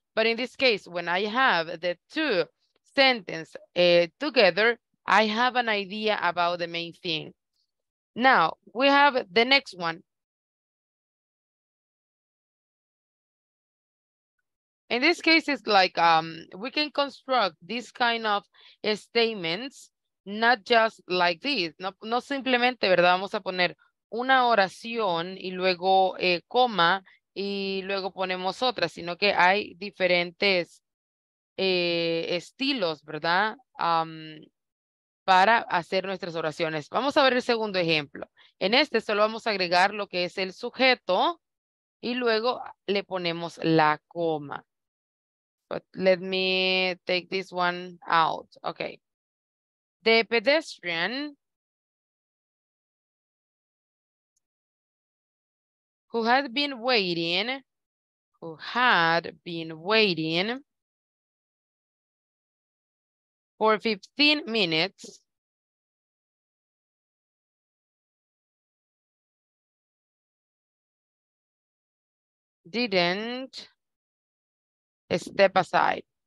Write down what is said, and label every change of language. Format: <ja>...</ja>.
<en>But in this case, when I have the two sentences together, I have an idea about the main thing. Now, we have the next one. In this case, it's like we can construct this kind of statements, not just like this.</en> <es>No simplemente, ¿verdad? Vamos a poner una oración y luego coma, y luego ponemos otra, sino que hay diferentes estilos, ¿verdad? Para hacer nuestras oraciones. Vamos a ver el segundo ejemplo. En este solo vamos a agregar lo que es el sujeto y luego le ponemos la coma.</es> <en>But let me take this one out. Okay. The pedestrian who had been waiting for 15 minutes didn't step aside.</en>